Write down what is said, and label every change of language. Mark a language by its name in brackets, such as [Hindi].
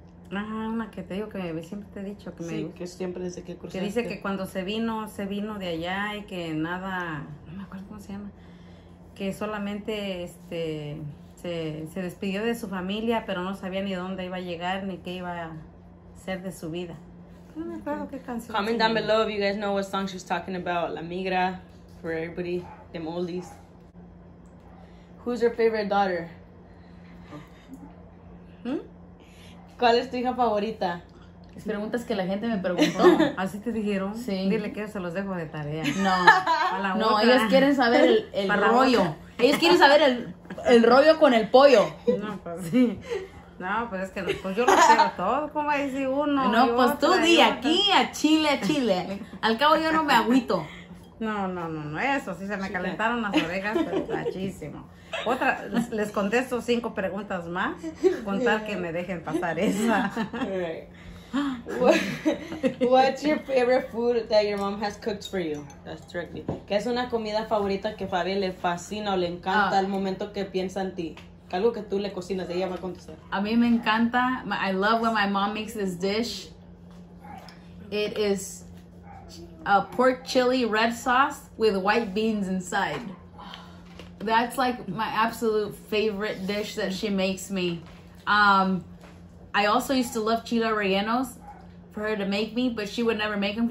[Spanish] Ajá, una que te digo que siempre te he dicho que me sí, que siempre desde que cruzaste. Que dice que cuando se vino de allá y que nada, no me acuerdo cómo se llama, que solamente se despidió de su familia, pero no sabía ni dónde iba a llegar ni qué iba a ser de su vida. No, [English] comment down below if you guys know what song she's talking about. La Migra, for everybody, them oldies. Who's your favorite daughter? [Spanish] ¿Cuál es tu hija favorita? Es preguntas que la gente me preguntó. ¿Así te dijeron? Sí. Dile que se los dejo de tarea. No. No, ellos quieren saber el rollo. Boca. Ellos quieren saber el rollo con el pollo. No, pues sí. No, pues es que pues yo lo quiero todo, como dice uno. No, pues otra, tú di aquí a Chile. Al cabo yo no me agüito. No, eso sí se me calentaron las orejas, pero muchísimo. Otra, les contesto 5 preguntas más, con tal que me dejen pasar esa. [English] All right. What's your favorite food that your mom has cooked for you? That's tricky. [Spanish] ¿Qué es una comida favorita que Fabi le fascina o le encanta al momento que piensa en ti? Algo que tú le cocinas, ella va a contestar. A mí me encanta. [English] I love when my mom makes this dish. It is a pork chili red sauce with white beans inside. That's like my absolute favorite dish that she makes me. I also used to love chile rellenos for her to make me, but she would never make them.